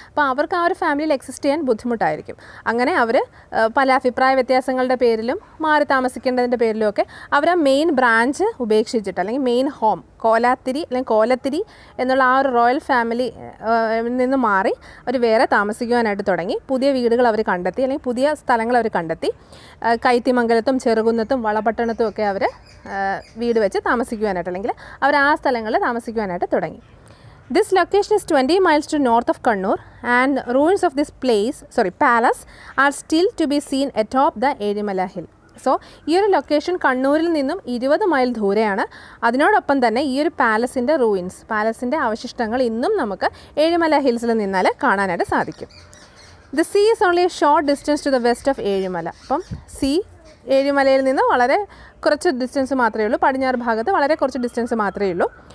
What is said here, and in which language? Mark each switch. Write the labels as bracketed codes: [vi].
[ml] അപ്പോൾ അവർക്ക് ആ ഒരു ഫാമിലിയിൽ എക്സിസ്റ്റ് ചെയ്യാൻ ബുദ്ധിമുട്ടായിരിക്കും. അങ്ങനെ അവർ പല അഭിപ്രായ വ്യത്യാസങ്ങളുടെ പേരിലും മാറി താമസിക്കേണ്ടതിൻ്റെ പേരിലും ഒക്കെ അവർ ആ മെയിൻ ബ്രാഞ്ച് ഉപേക്ഷിച്ചിട്ട്, അല്ലെങ്കിൽ മെയിൻ ഹോം കോലാത്തിരി അല്ലെങ്കിൽ കോലത്തിരി എന്നുള്ള ആ ഒരു റോയൽ ഫാമിലി നിന്ന് മാറി അവർ വേറെ താമസിക്കുവാനായിട്ട് തുടങ്ങി. പുതിയ വീടുകൾ അവർ കണ്ടെത്തി, അല്ലെങ്കിൽ പുതിയ സ്ഥലങ്ങൾ അവർ കണ്ടെത്തി. കൈത്തിമംഗലത്തും ചെറുകുന്നത്തും വളപട്ടണത്തും ഒക്കെ അവർ വീട് വെച്ച് താമസിക്കും. താമസിക്കുവാനായിട്ട് അല്ലെങ്കിൽ അവർ ആ സ്ഥലങ്ങളിൽ താമസിക്കുവാനായിട്ട് തുടങ്ങി. [en] This location is 20 miles to north of Kannur and ruins of this palace are still to be seen atop the Edimala hill. [ml] So, ഈ ഒരു ലൊക്കേഷൻ കണ്ണൂരിൽ നിന്നും 20 miles ദൂരെയാണ്. അതിനോടൊപ്പം തന്നെ ഈ ഒരു പാലസിൻ്റെ റൂയിൻസ്, പാലസിൻ്റെ അവശിഷ്ടങ്ങൾ ഇന്നും നമുക്ക് ഏഴിമല ഹിൽസിൽ നിന്നാൽ കാണാനായിട്ട് സാധിക്കും. [en] The sea is only a short distance to the west of Ezhimala. [ml] അപ്പം സീ ഏഴിമലയിൽ നിന്ന് വളരെ കുറച്ച് ഡിസ്റ്റൻസ് മാത്രമേ ഉള്ളൂ, പടിഞ്ഞാറ് ഭാഗത്ത് വളരെ കുറച്ച് ഡിസ്റ്റൻസ് മാത്രമേ ഉള്ളൂ.